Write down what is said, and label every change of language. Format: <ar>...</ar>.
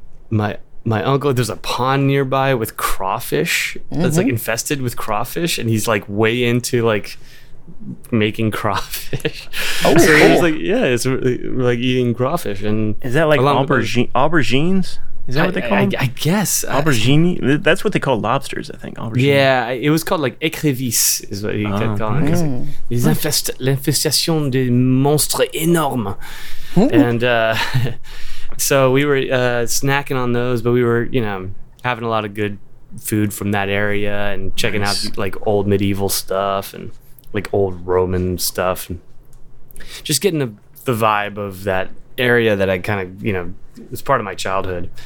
<en>My uncle, there's a pond nearby with crawfish that's like infested with crawfish, and he's like way into like making crawfish. Oh, so cool. It's really, like eating crawfish. And is that like aubergines? Is that what they call them? I guess. Aubergine? That's what they call lobsters, I think. Aubergine. Yeah, it was called like écrevisse, is what he kept calling it.</en> <fr>Les infestations de monstres énormes.</fr> <en>And so we were snacking on those, but we were, you know, having a lot of good food from that area and checking out like old medieval stuff and like old Roman stuff. And just getting the vibe of that area that I kind of, you know, it was part of my childhood.</en>